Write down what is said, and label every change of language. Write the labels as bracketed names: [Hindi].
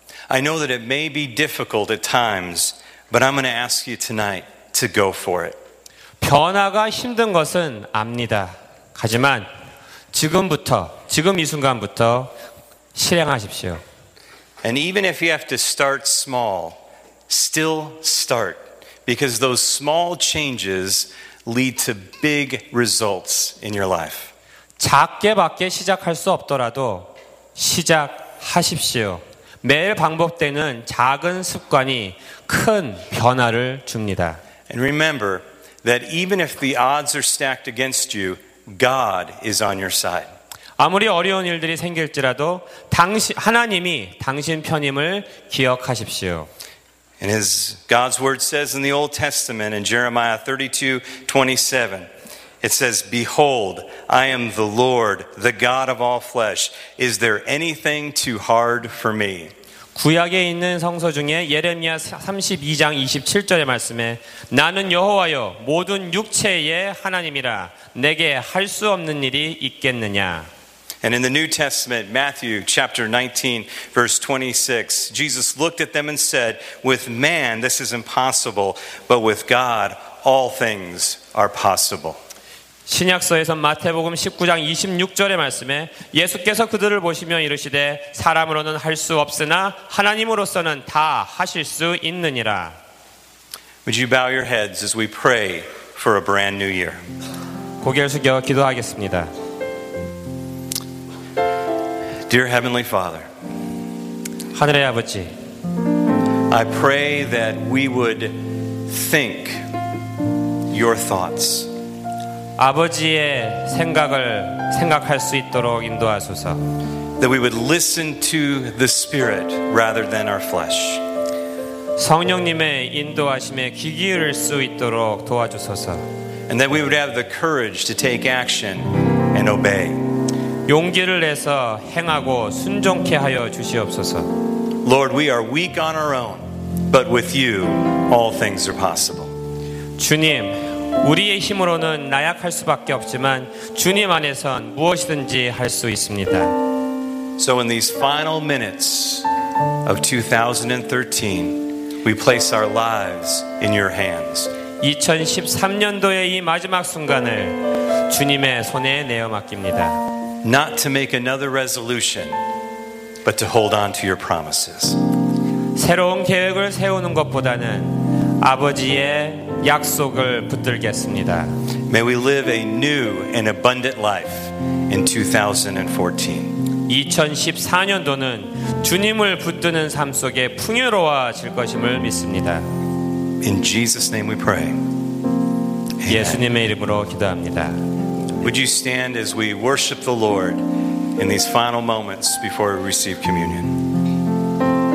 [English] I know that it may be difficult at times, but I'm going to ask you tonight to go for it. [Korean] 변화가 힘든 것은 압니다. 하지만 지금부터, 지금 이 순간부터 실행하십시오. [English] And even if you have to start small, still start, because those small changes lead to big results in your life. [Korean] 작게밖에 시작할 수 없더라도 시작하십시오. 매일 반복되는 작은 습관이 큰 변화를 줍니다. [English] And remember that even if the odds are stacked against you, God is on your side. [Korean] 아무리 어려운 일들이 생길지라도 하나님이 당신 편임을 기억하십시오. [English] And as God's word says in the Old Testament in Jeremiah 32:27, it says, "Behold, I am the Lord, the God of all flesh. Is there anything too hard for me?" [Korean] 구약에 있는 성서 중에 예레미야 32장 27절의 말씀에 나는 여호와여 모든 육체의 하나님이라 내게 할 수 없는 일이 있겠느냐. [English] And in the New Testament, Matthew chapter 19, verse 26, Jesus looked at them and said, "With man this is impossible, but with God all things are possible." [Korean] 신약서에서 마태복음 19장 26절의 말씀에 예수께서 그들을 보시며 이르시되 사람으로는 할 수 없으나 하나님으로서는 다 하실 수 있느니라. [English] Would you bow your heads as we pray for a brand new year? [Korean] 고개를 숙여 기도하겠습니다. [English] Dear Heavenly Father, [Korean] 하늘의 아버지, [English] I pray that we would think your thoughts. [Korean] 아버지의 생각을 생각할 수 있도록 인도하소서. [English] That we would listen to the Spirit rather than our flesh. [Korean] 성령님의 인도하심에 귀 기울일 수 있도록 도와주소서. [English] And that we would have the courage to take action and obey. [Korean] 용기를 내서 행하고 순종케 하여 주시옵소서. [English] Lord, we are weak on our own, but with you, all things are possible. [Korean] 주님. 우리의 힘으로는 나약할 수밖에 없지만 주님 안에선 무엇이든지 할 수 있습니다. [English] So in these final minutes of 2013, we place our lives in your hands. [Korean] 2013년도의 이 마지막 순간을 주님의 손에 내어 맡깁니다. [English] Not to make another resolution, but to hold on to your promises. [Korean] 새로운 계획을 세우는 것보다는 아버지의 약속을 붙들겠습니다. [English] May we live a new and abundant life in 2014. [Korean] 2014년도는 주님을 붙드는 삶 속에 풍요로워질 것임을 믿습니다. [English] In Jesus' name we pray. [Korean] 예수님의 이름으로 기도합니다. [English] Would you stand as we worship the Lord in these final moments before we receive communion?